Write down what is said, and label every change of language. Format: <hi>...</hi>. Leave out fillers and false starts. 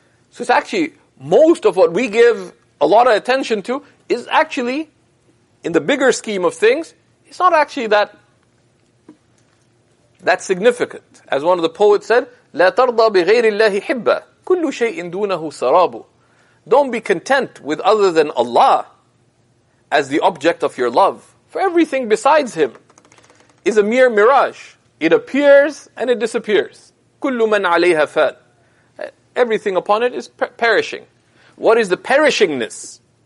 <en>So it's actually, most of what we give a lot of attention to is actually, in the bigger scheme of things, it's not actually that significant. As one of the poets said,</en> <ar>لَا تَرْضَى بِغَيْرِ اللَّهِ حِبَّ كُلُّ شَيْءٍ دُونَهُ سَرَابُ.</ar> <en>Don't be content with other than Allah as the object of your love. For everything besides Him is a mere mirage. It appears and it disappears.</en> <ar>كُلُّ مَنْ عَلَيْهَا فَان.</ar> <en>Everything upon it is perishing. What is the perishingness?</en>